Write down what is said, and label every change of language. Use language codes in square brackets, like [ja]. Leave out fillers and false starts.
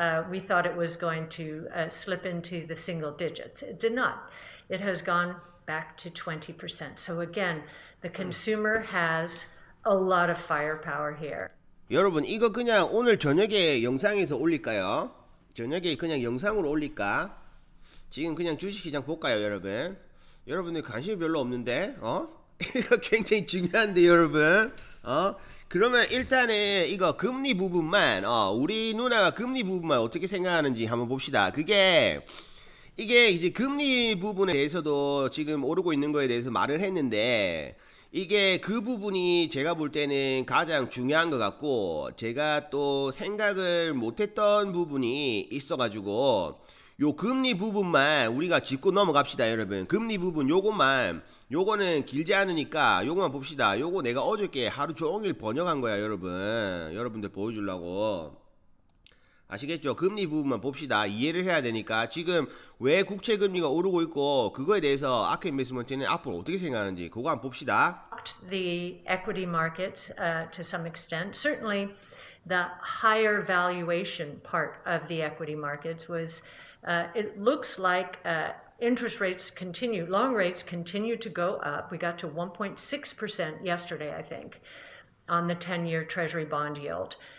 [en] We thought it was going to slip into the single digits. It did not. It has gone back to 20%. So again, the consumer has a lot of firepower here. [ko] 여러분, 이거 그냥 오늘 저녁에 영상에서 올릴까요? 저녁에 그냥 영상으로 올릴까? 지금 그냥 주식시장 볼까요, 여러분? 여러분들 관심이 별로 없는데, 어? 이거 굉장히 중요한데, 여러분. 어? 그러면 일단은 이거 금리 부분만, 우리 누나가 금리 부분만 어떻게 생각하는지 한번 봅시다. 이게 이제 금리 부분에 대해서도 지금 오르고 있는 거에 대해서 말을 했는데, 이게 그 부분이 제가 볼 때는 가장 중요한 것 같고, 제가 또 생각을 못했던 부분이 있어가지고, 요 금리 부분만 우리가 짚고 넘어갑시다, 여러분. 금리 부분 요것만, 요거는 길지 않으니까 요것만 봅시다. 요거 내가 어저께 하루 종일 번역한 거야, 여러분. 여러분들 보여주려고. 아시겠죠? 금리 부분만 봅시다. 이해를 해야 되니까. 지금 왜 국채 금리가 오르고 있고 그거에 대해서 아크 인베스먼트는 앞으로 어떻게 생각하는지 그거 한번 봅시다. [en] The equity markets to some extent. Certainly the higher valuation part of the equity markets was it looks like interest rates continue, long rates continue to go up. We got to 1.6% yesterday, I think, on the 10-year Treasury bond yield.